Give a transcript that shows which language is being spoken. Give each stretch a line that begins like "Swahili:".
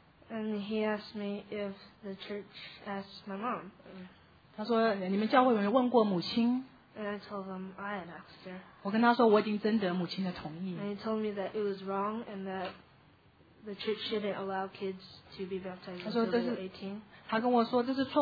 English: And he asked me if the church asked my mom.
Chinese: 他说,你们教会有没有问过母亲?
English: And I told him I had asked her.
Chinese: 我跟他说我已经征得母亲的同意。
English: And he told me that it was wrong and that the church shouldn't allow kids to be baptized until they were 18.